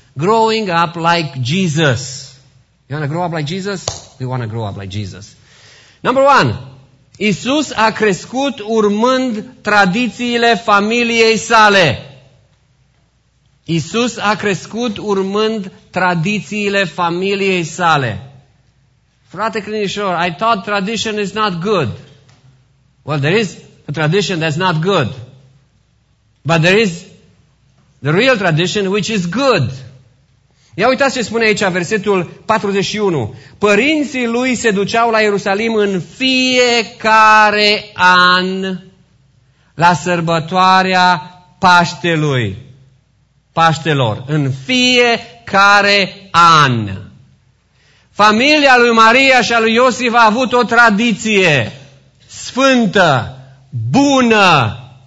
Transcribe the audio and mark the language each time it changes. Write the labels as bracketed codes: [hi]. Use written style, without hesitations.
[en] Growing up like Jesus. You want to grow up like Jesus? We want to grow up like Jesus. Number one. [ro] Iisus a crescut urmând tradițiile familiei sale. Iisus a crescut urmând tradițiile familiei sale. [en] Frate Crinișor, I thought tradition is not good. Well, there is a tradition that's not good. But there is the real tradition which is good. [ro] Ia uitați ce spune aici versetul 41. Părinții lui se duceau la Ierusalim în fiecare an la sărbătoarea Paștelui. Paștelor. În fiecare an. Familia lui Maria și a lui Iosif a avut o tradiție sfântă, bună.